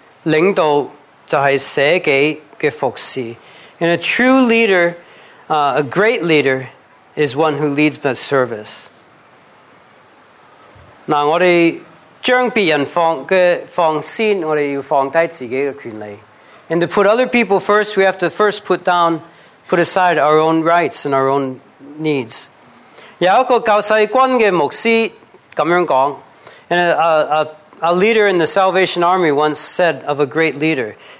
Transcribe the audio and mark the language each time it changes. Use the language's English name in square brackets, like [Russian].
[Chinese] 真正伟大的领导就是舍己的服侍。 [English] And a true leader, a great leader, is one who leads by service. [Chinese] 那我们 将别人放先，我们要放低自己的权利。 [English] And to put other people first, we have to first put aside our own rights and our own needs. [Chinese] 有一个教世军的牧师这样讲， [English] and a leader in the Salvation Army once said of a great leader,